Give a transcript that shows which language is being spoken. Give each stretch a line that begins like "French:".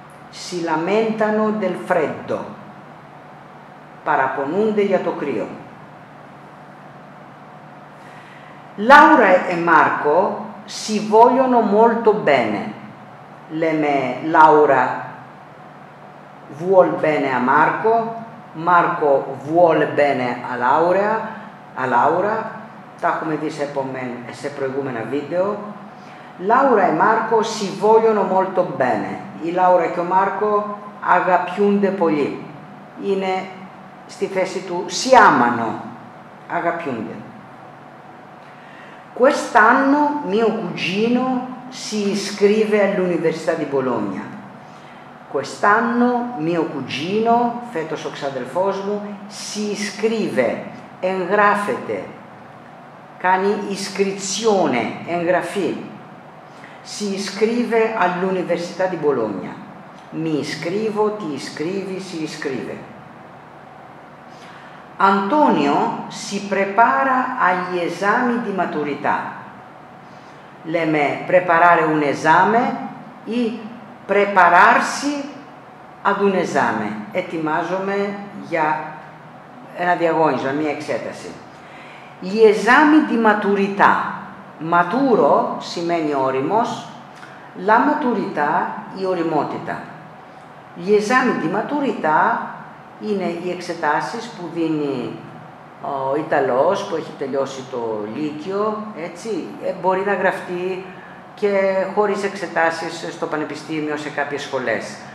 Italian: Si lamentano del freddo.
Greek: Παραπονούνται για το κρύο.
Italian: Laura e Marco si vogliono molto bene.
Greek: Λέμε
Italian: Laura vuol bene a Marco, Marco vuol bene a Laura,
Greek: Τα έχουμε δει σε προηγούμενα βίντεο.
Italian: Laura e Marco si vogliono molto bene.
Greek: Η Λάουρα και ο Μάρκο αγαπιούνται πολύ. Είναι στη θέση του «σιάμανο», αγαπιούνται.
Italian: «Quest'anno mio cugino si iscrive all'Università di Bologna». «Quest'anno mio cugino»,
Greek: φέτος ο ξαδελφός μου,
Italian: «si iscrive»,
Greek: εγγράφεται, κάνει iscrizione, εγγραφή.
Italian: Si iscrive all'Università di Bologna. Mi iscrivo, ti iscrivi, si iscrive. Antonio si prepara agli esami di maturità.
Greek: Leme
Italian: preparare un esame e prepararsi ad un esame.
Greek: Etimazome για ένα διαγώνισμα, μια εξέταση.
Italian: Gli esami di maturità. Maturo
Greek: σημαίνει όριμος,
Italian: la maturità
Greek: η οριμότητα.
Italian: Gli esami di maturità
Greek: είναι οι εξετάσεις που δίνει ο Ιταλός που έχει τελειώσει το λύκειο, έτσι, μπορεί να γραφτεί και χωρίς εξετάσεις στο πανεπιστήμιο σε κάποιες σχολές.